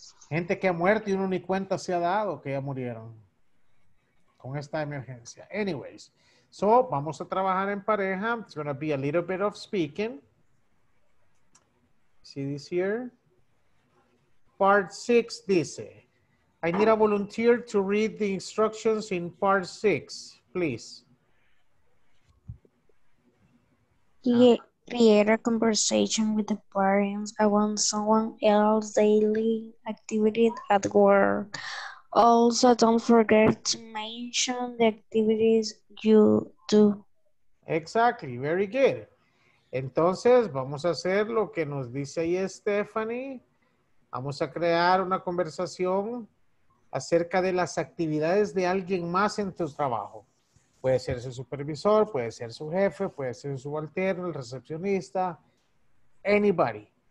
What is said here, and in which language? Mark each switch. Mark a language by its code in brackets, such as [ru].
[es] Gente que ha muerto y uno ni cuenta se ha dado que ya murieron con esta emergencia. [en] Anyways, so [es] vamos a trabajar en pareja. [en] It's going to be a little bit of speaking. See this here. Part 6 dice, I need a volunteer to read the instructions in part 6, please. Create a conversation with the parents. I want someone else daily activity at work. Also, don't forget to mention the activities you do. Exactly. Very good. [es] Entonces, vamos a hacer lo que nos dice ahí Stephanie. Vamos a crear una conversación acerca de las actividades de alguien más en tu trabajo. Puede ser su supervisor, puede ser su jefe, puede ser su subalterno, el recepcionista, anybody.